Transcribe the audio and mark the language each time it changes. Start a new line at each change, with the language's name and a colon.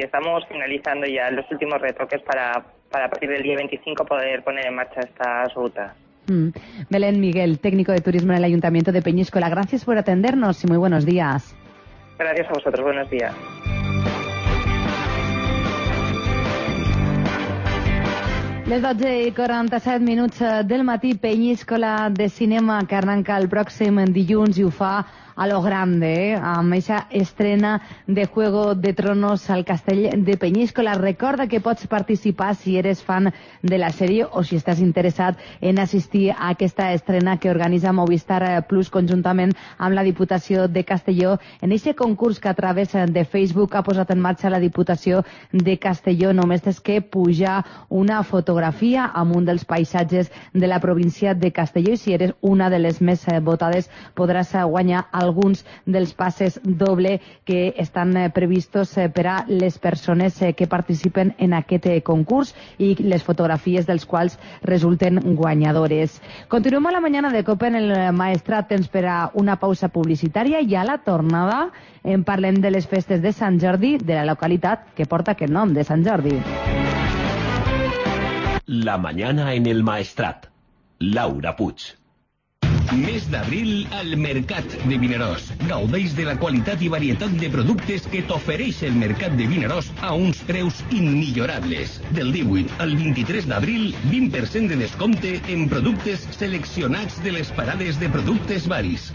Spanish: Estamos finalizando ya los últimos retoques para a partir del día 25 poder poner en marcha estas rutas. Belén Miguel, técnico de turismo en el Ayuntamiento de Peñíscola, gracias por atendernos y muy buenos días. Gracias a vosotros, buenos días.
Catalan: Les 12 i 47 minuts del matí, Peñíscola de Cinema, que arranca el pròxim dilluns i ho fa
Spanish: a lo grande,
Catalan: amb aquesta estrena de Juego de Tronos al castell de Peñíscola. Recorda que pots participar si eres fan de la sèrie o si estàs interessat en assistir a aquesta estrena que organitza Movistar Plus conjuntament amb la Diputació de Castelló en aquest concurs que a través de Facebook ha posat en marxa la Diputació de Castelló. Només has de pujar una fotografia amb un dels paisatges de la província de Castelló i si eres una de les més votades podràs guanyar alguns dels passes doble que estan previstos per a les persones que participen en aquest concurs i les fotografies dels quals resulten guanyadores. Continuem a la mañana de COPE en el Maestrat. Temps per a una pausa publicitària i a la tornada en parlem de les festes de Sant Jordi, de la localitat que porta aquest nom, de Sant Jordi.
Spanish: La mañana en el Maestrat. Laura Puig.
Catalan: Mes d'abril al Mercat de Vinaròs. Gaudeix de la qualitat i varietat de productes que t'ofereix el Mercat de Vinaròs a uns preus immillorables. Del 18 al 23 d'abril, 20% de descompte en productes seleccionats de les parades de productes varis.